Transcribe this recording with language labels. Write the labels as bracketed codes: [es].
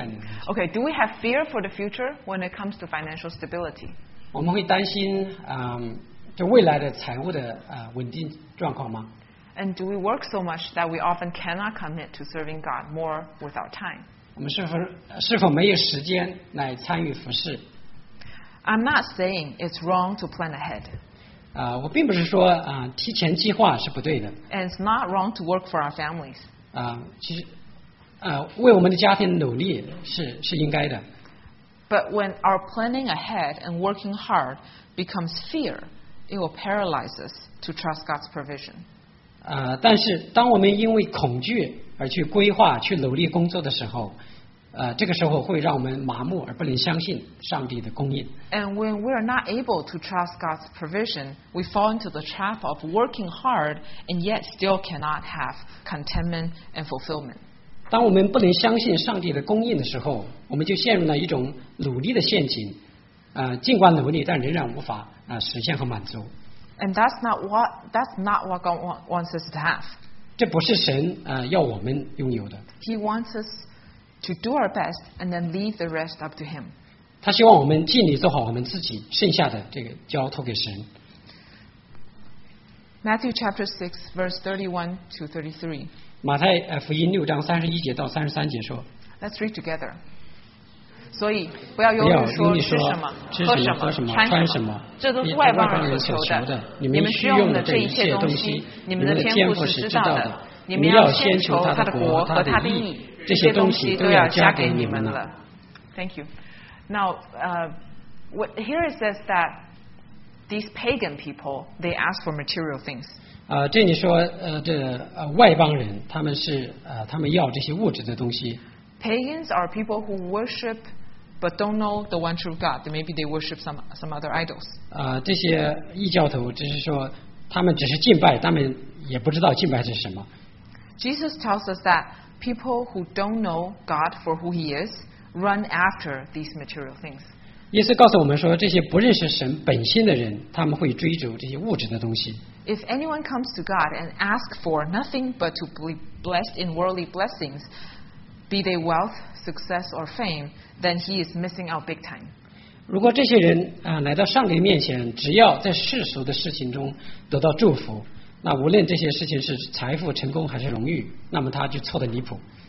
[en] Okay, do we have fear for the future when it comes to financial stability? [zh] 我们会担心就未来的财务的稳定状况吗？ [en] And do we work so much that we often cannot commit to serving God more with our time? [zh] 我们是否没有时间来参与服事？ [en] I'm not saying it's wrong to plan ahead. [zh] 我并不是说提前计划是不对的。 [en] And it's not wrong to work for our families. [zh] 其实为我们的家庭努力是应该的。 [en] But when our planning ahead and working hard becomes fear, it will paralyze us to trust God's provision. [zh] 但是当我们因为恐惧而去规划、去努力工作的时候，这个时候会让我们麻木而不能相信上帝的供应。 [en] And when we are not able to trust God's provision, we fall into the trap of working hard and yet still cannot have contentment and fulfillment. [zh] 当我们不能相信上帝的供应的时候，我们就陷入了一种努力的陷阱，尽管努力，但仍然无法实现和满足。 [en] And that's not what God wants us to have. [zh] 这不是神要我们拥有的。 [en] He wants us to do our best and then leave the rest up to Him. [zh] 他希望我们尽力做好我们自己，剩下的这个交托给神。 [en] Matthew chapter 6 verse 31 to 33. [zh] 马太福音六章三十一节到三十三节说。 [en] Let's read together. [zh] 所以不要忧虑说吃什么、吃什么、喝什么、穿什么，这都是外邦人所求的。你们需用的这一切东西，你们的天父是知道的。你们要先求他的国和他的义。这些东西都要加给你们了。 [en] Thank you. Now, what here it says that these pagan people they ask for material things. [zh] 这里说外邦人他们是他们要这些物质的东西。 [en] Pagans are people who worship but don't know the one true God. Maybe they worship some other idols. [zh] 这些异教徒只是说他们只是敬拜，他们也不知道敬拜是什么。 [en] Jesus tells us that. People who don't know God for who He is run after these material things. [zh] 耶稣告诉我们说，这些不认识神本心的人，他们会追逐这些物质的东西。 [en] If anyone comes to God and asks for nothing but to be blessed in worldly blessings, be they wealth, success, or fame, then he is missing out big time. [zh] 如果这些人来到上帝面前，只要在世俗的事情中得到祝福。那无论这些事情是财富、成功还是荣誉，那么他就错得离谱。